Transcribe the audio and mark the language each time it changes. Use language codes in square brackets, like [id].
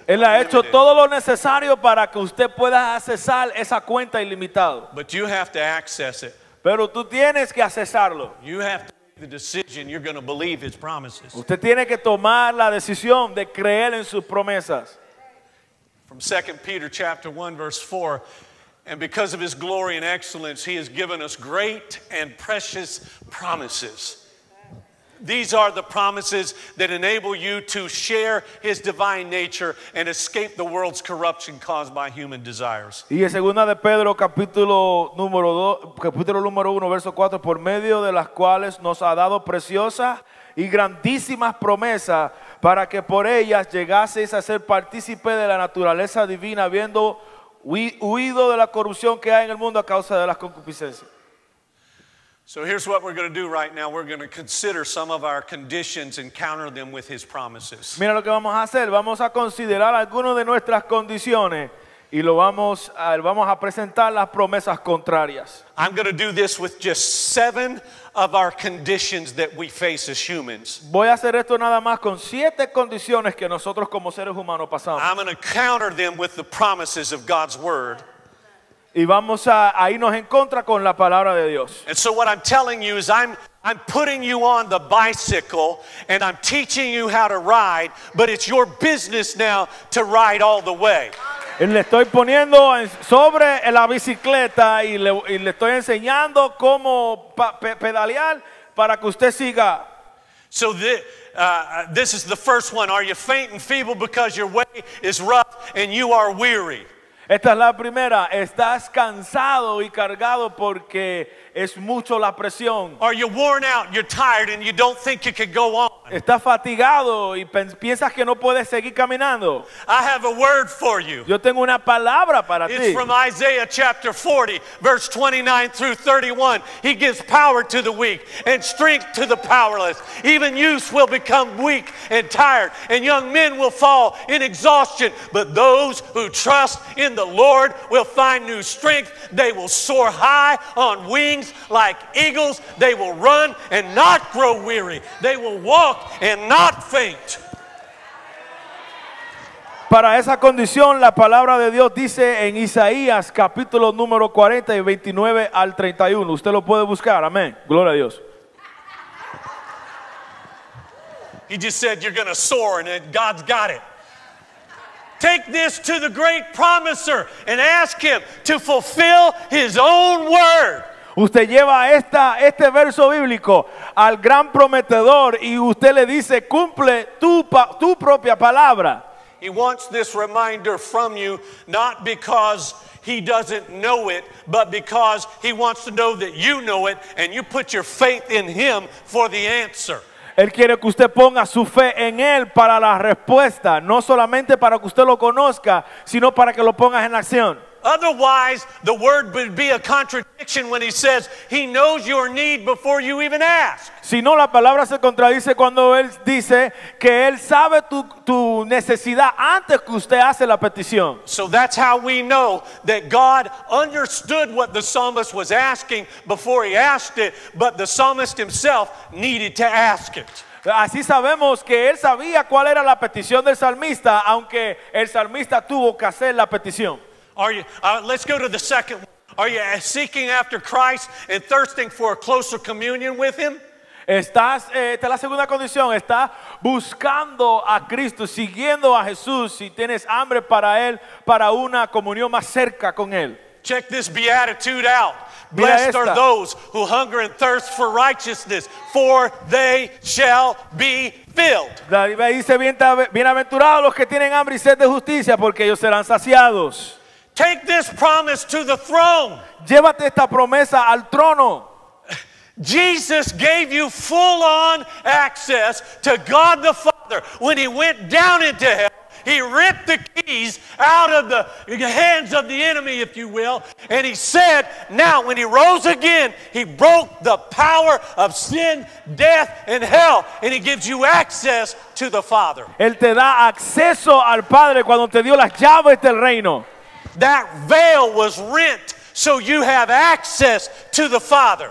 [es] Él ha hecho todo lo necesario para que usted pueda accesar esa cuenta ilimitado. [en] But you have to access it. [es] Pero tú tienes que accesarlo. [en] You have to make the decision you're going to believe his promises. [es] Usted tiene que tomar la decisión de creer en sus promesas. [en] From 2 Peter chapter 1 verse 4, "And because of his glory and excellence, he has given us great and precious promises. These are the promises that enable you to share his divine nature and escape the world's corruption caused by human desires." [es] Y en segunda de Pedro capítulo número 1 verso 4, "por medio de las cuales nos ha dado preciosas y grandísimas promesas para que por ellas llegaseis a ser partícipe de la naturaleza divina, habiendo huido de la corrupción que hay en el mundo a causa de las concupiscencias." [en] So here's what we're going to do right now. We're going to consider some of our conditions and counter them with his promises. [es] Mira lo que vamos a hacer. Vamos a considerar algunas de nuestras condiciones y lo vamos a, vamos a presentar las promesas contrarias. [en] I'm going to do this with just 7 of our conditions that we face as humans. [es] Voy a hacer esto nada más con 7 condiciones que nosotros como seres humanos pasamos. [en] I'm going to counter them with the promises of God's word. [es] Y vamos a irnos en contra con la palabra de Dios. [en] And so what I'm telling you is I'm putting you on the bicycle and I'm teaching you how to ride, but it's your business now to ride all the way. [es] Le estoy poniendo sobre la bicicleta y le estoy enseñando cómo pedalear para que usted siga. [en] So this is the first one. Are you faint and feeble because your way is rough and you are weary? [es] Esta es la primera. ¿Estás cansado y cargado porque es mucho la presión? [en] Are you worn out? You're tired and you don't think you can go on. [es] ¿Estás fatigado y piensas que no puedes seguir caminando? [en] I have a word for you. [es] Yo tengo una palabra para [en] It's [es] ti. [en] It's from Isaiah chapter 40, verse 29 through 31. He gives power to the weak and strength to the powerless. Even youths will become weak and tired, and young men will fall in exhaustion. But those who trust in the Lord will find new strength. They will soar high on wings like eagles. They will run and not grow weary. They will walk and not faint. [es] Para esa condición, la palabra de Dios dice en Isaías, capítulo número 40, 29 al 31. Usted lo puede buscar. Amén. Gloria a Dios. [en] He just said, you're going to soar, and God's got it. Take this to the great promiser and ask him to fulfill his own word. [es] Usted lleva este verso bíblico al gran prometedor y usted le dice, cumple tu propia palabra. [en] He wants this reminder from you, not because he doesn't know it, but because he wants to know that you know it and you put your faith in him for the answer. [es] Él quiere que usted ponga su fe en él para la respuesta, no solamente para que usted lo conozca, sino para que lo pongas en acción. [en] Otherwise, the word would be a contradiction when he says he knows your need before you even ask. [es] Si no, la palabra se contradice cuando él dice que él sabe tu necesidad antes que usted hace la petición. [en] So that's how we know that God understood what the psalmist was asking before he asked it, but the psalmist himself needed to ask it. [es] Así sabemos que él sabía cuál era la petición del salmista, aunque el salmista tuvo que hacer la petición. [en] Are you? Let's go to the second one. Are you seeking after Christ and thirsting for a closer communion with him? [es] Estás, esta es la segunda condición. Está buscando a Cristo, siguiendo a Jesús, si tienes hambre para él, para una comunión más cerca con él. [en] Check this beatitude out. Blessed are those who hunger and thirst for righteousness, for they shall be filled. [es] David dice, bienaventurados los que tienen hambre y sed de justicia, porque ellos serán saciados. [en] Take this promise to the throne. [es] Llévate esta promesa al trono. [en] Jesus gave you full-on access to God the Father. When he went down into hell, he ripped the keys out of the hands of the enemy, if you will. And he said, now when he rose again, he broke the power of sin, death, and hell. And he gives you access to the Father. [es] Él te da acceso al Padre cuando te dio las llaves del reino. [en] That veil was rent so you have access to the Father.